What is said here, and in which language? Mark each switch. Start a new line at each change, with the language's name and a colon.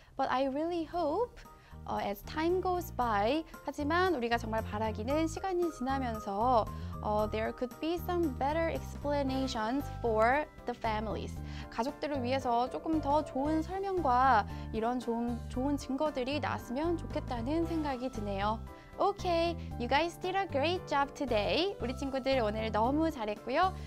English: But I really hope as time goes by,
Korean: 하지만 우리가 정말 바라기는 시간이 지나면서
English: there could be some better explanations for the families.
Korean: 가족들을 위해서 조금 더 좋은 설명과 이런 좋은 증거들이 나왔으면 좋겠다는 생각이 드네요.
English: Okay, you guys did a great job today.
Korean: 우리 친구들 오늘 너무 잘했고요.